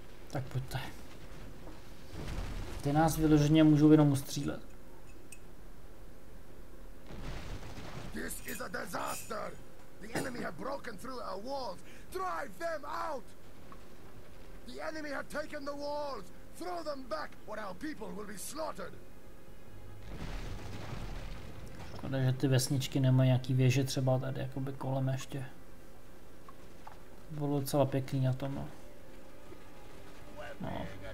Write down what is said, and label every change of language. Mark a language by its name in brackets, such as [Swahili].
[Czech] Tak pojďte. Ty nás vyloženě můžou jenom ustřílet. [English] This is a disaster. The enemy have broken through our walls. Drive them out. The enemy have taken the walls. Throw them back or our people will be slaughtered. [Czech] Škoda, že ty vesničky nemají nějaký věže třeba tady jakoby kolem ještě. Bylo docela pěkný na tom. No.